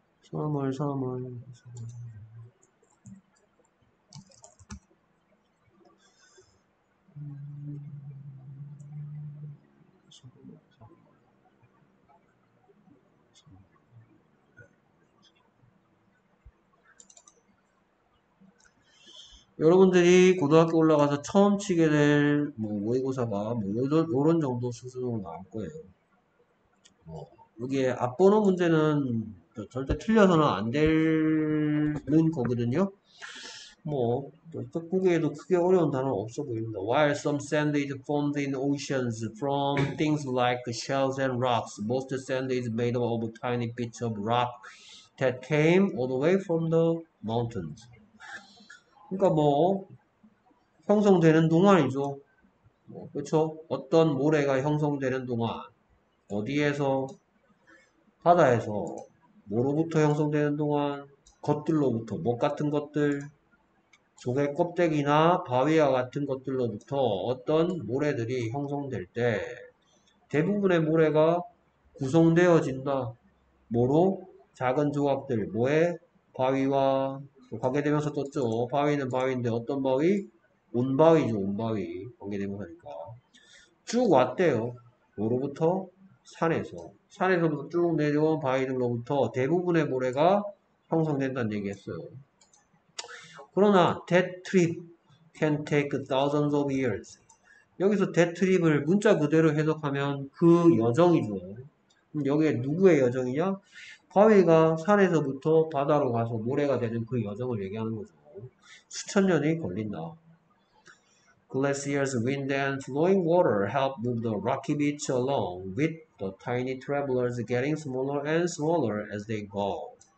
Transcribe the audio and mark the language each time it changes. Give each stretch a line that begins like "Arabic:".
Korean: 3월 여러분들이 고등학교 올라가서 처음 치게 될뭐 모의고사가 뭐 요런 정도 수준으로 나올 거예요. 뭐 여기에 앞보는 문제는 절대 틀려서는 안 되는 거거든요. 뭐, 보기에도 크게 어려운 단어 없어 보입니다.
English: While some sand is formed in oceans from things like shells and rocks, most sand is made of tiny bits of rock that came all the way from the mountains.
Korean: 그러니까 뭐, 형성되는 동안이죠. 뭐, 그렇죠? 어떤 모래가 형성되는 동안, 어디에서, 바다에서, 뭐로부터 형성되는 동안, 것들로부터, 뭐 같은 것들, 조개 껍데기나 바위와 같은 것들로부터 어떤 모래들이 형성될 때 대부분의 모래가 구성되어진다. 뭐로? 작은 조각들. 뭐에? 바위와 관계되면서 떴죠. 바위는 바위인데 어떤 바위? 온바위죠. 온바위. 관계되면서 하니까 쭉 왔대요. 뭐로부터? 산에서부터 쭉 내려온 바위들로부터 대부분의 모래가 형성된다는 얘기했어요. 그러나
English: that trip can take thousands of years.
Korean: 여기서
English: that trip
Korean: 을 문자 그대로 해석하면 그 여정이죠. 여기에 누구의 여정이냐? 바위가 산에서부터 바다로 가서 모래가 되는 그 여정을 얘기하는 거죠. 수천 년이 걸린다.
English: Glaciers, wind and flowing water help move the rocky beach along with the tiny travelers getting smaller and smaller as they go.